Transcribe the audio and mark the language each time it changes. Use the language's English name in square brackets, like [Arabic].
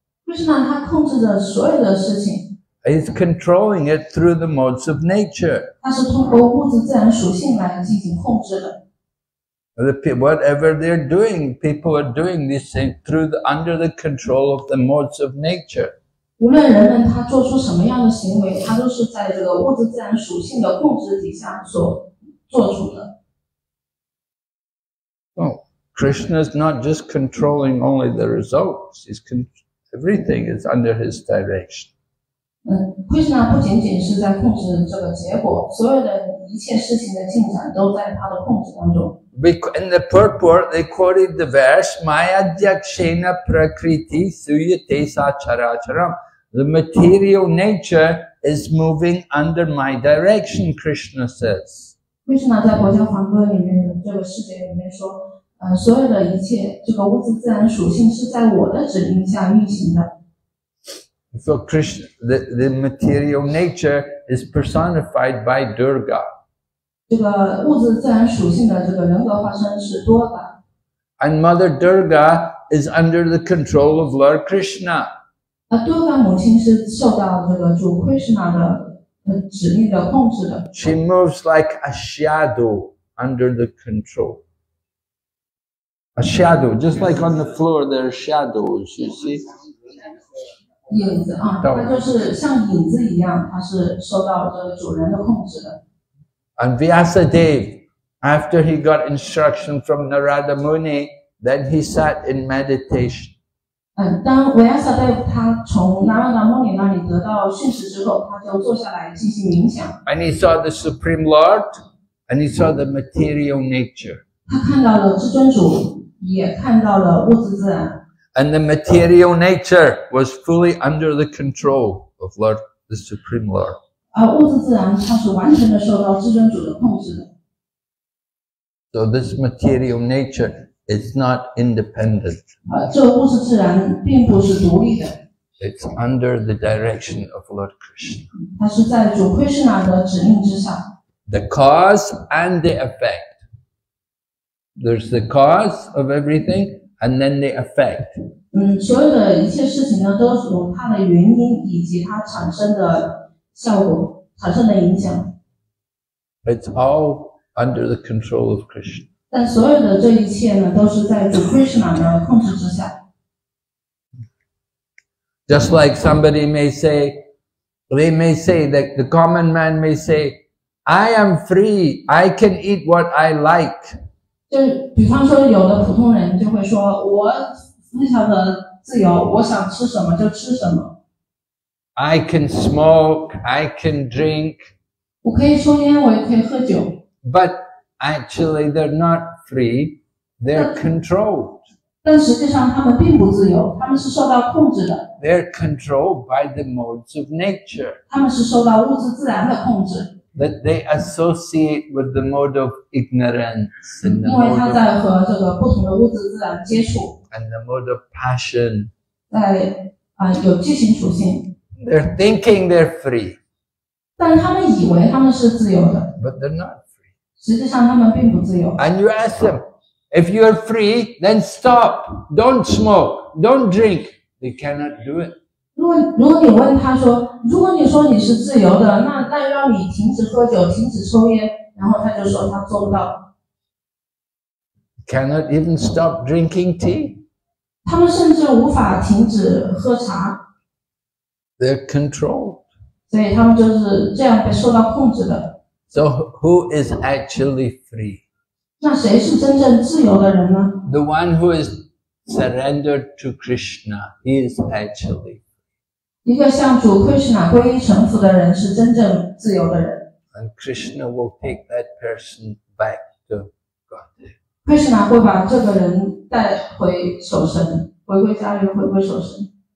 [Chinese] Krishna 他控制着所有的事情。 [English] He is controlling it through the modes of nature. [Chinese] 他是通过物质自然属性来进行控制的。 [English] Whatever they're doing, people are doing these things through the under the control of the modes of nature. [Chinese] 无论人们他做出什么样的行为，他都是在这个物质自然属性的控制底下所做出的。 [English] Oh, Krishna is not just controlling only the results. He's everything is under his direction. [Chinese] Krishna 不仅仅是在控制这个结果，所有的一切事情的进展都在他的控制当中。 [English] In the purport, they quoted the verse, [Sanskrit] Maya Dyakshena Prakriti Suyate Sacharacharam. [English] The material nature is moving under my direction, Krishna says. [Chinese] Krishna 在佛教梵歌里面这个世界里面说，所有的一切这个物质自然属性是在我的指令下运行的。 [English] So Krishna, the material nature is personified by Durga. [Chinese] 这个物质自然属性的这个人格化身是多达。 [English] And Mother Durga is under the control of Lord Krishna. [Chinese] 啊，多达母亲是受到这个主 Krishna 的指令的控制的。 [English] She moves like a shadow under the control. A shadow, just like on the floor, there are shadows. You see. [Chinese] 影子啊，它就是像影子一样，它是受到这个主人的控制的。 [English] And Vyasa Dev, after he got instruction from Narada Muni, then he sat in meditation. [Chinese] 当 Vyasa Dev 他从 Narada Muni 那里得到讯息之后，他就坐下来进行冥想。 [English] And he saw the Supreme Lord, and he saw the material nature. [Chinese] 他看到了至尊主，也看到了物质自然。 [English] And the material nature was fully under the control of Lord, the Supreme Lord. [Chinese] 物质自然它是完全的受到至尊主的控制的。 [English] So this material nature is not independent. [Chinese] 这个物质自然并不是独立的。 [English] It's under the direction of Lord Krishna. [Chinese] 它是在主 Krishna 的指令之下。 [English] The cause and the effect. There's the cause of everything. And then the effect. [Chinese] 所有的一切事情呢，都是它的原因以及它产生的效果，产生的影响。 [English] It's all under the control of Krishna. [Chinese] 但所有的这一切呢，都是在主 Krishna 的控制之下。 [English] Just like somebody may say, they may say that the common man may say, I am free, I can eat what I like. [Chinese] 就比方说，有的普通人就会说：“我非常的自由，我想吃什么就吃什么。” [English] I can smoke, I can drink. [Chinese] 我可以抽烟，我也可以喝酒。 [English] But actually, they're not free. They're controlled. [Chinese] 但实际上，他们并不自由，他们是受到控制的。 [English] They're controlled by the modes of nature. [Chinese] 他们是受到物质自然的控制。 [English] That they associate with the mode of ignorance and the mode of passion. [Chinese] 因为他在和这个不同的物质自然接触。 [English] And the mode of passion. [Chinese] 在有激情属性。 [English] They're thinking they're free. [Chinese] 但他们以为他们是自由的。 [English] But they're not free. [Chinese] 实际上他们并不自由。 [English] And you ask them, if you are free, then stop. Don't smoke. Don't drink. They cannot do it. [Chinese] 如果你问他说，如果你说你是自由的，那让你停止喝酒，停止抽烟，然后他就说他做不到。 [English] Cannot even stop drinking tea. [Chinese] 他们甚至无法停止喝茶。 [English] They're controlled. [Chinese] 所以他们就是这样被受到控制的。 [English] So who is actually free? [Chinese] 那谁是真正自由的人呢？ [English] The one who is surrendered to Krishna, he is actually. [Chinese] 一个向主 Krishna 皈依臣服的人是真正自由的人。 [English] And Krishna will take that person back to God. [Chinese] Krishna 会把这个人带回守神，回归家园，回归守神。